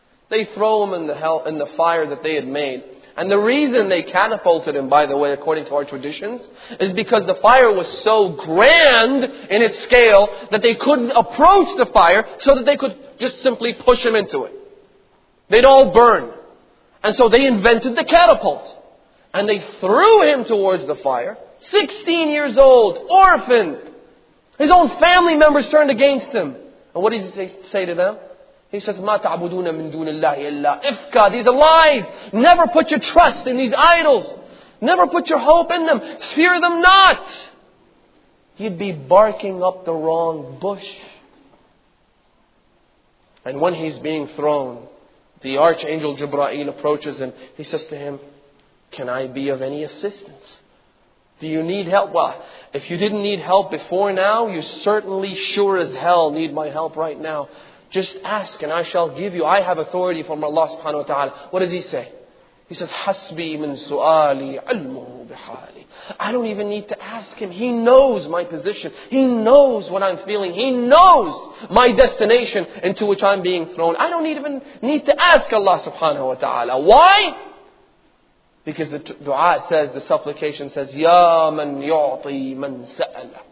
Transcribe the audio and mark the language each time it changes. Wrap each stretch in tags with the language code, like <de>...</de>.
<en>They throw him in the hell, in the fire that they had made. And the reason they catapulted him, by the way, according to our traditions, is because the fire was so grand in its scale that they couldn't approach the fire so that they could just simply push him into it. They'd all burn. And so they invented the catapult. And they threw him towards the fire. 16 years old, orphaned. His own family members turned against him. And what does he say to them? He says,</en> <ar>مَا تَعْبُدُونَ مِن دُونَ اللَّهِ إِلَّا إِفْكَ.</ar> <en>These are lies. Never put your trust in these idols. Never put your hope in them. Fear them not. You'd be barking up the wrong bush. And when he's being thrown, the archangel Jibra'il approaches him. He says to him, can I be of any assistance? Do you need help? Well, if you didn't need help before now, you certainly sure as hell need my help right now. Just ask and I shall give you. I have authority from Allah subhanahu wa ta'ala. What does he say? He says,</en> <ar>حَسْبِي مِن سُؤَالِي عِلْمُهُ بِحَالِي.</ar> <en>I don't even need to ask him. He knows my position. He knows what I'm feeling. He knows my destination into which I'm being thrown. I don't even need to ask Allah subhanahu wa ta'ala. Why? Because the dua says, the supplication says,</en> <ar>يَا مَن يُعْطِي مَن سَأَلَ.</ar>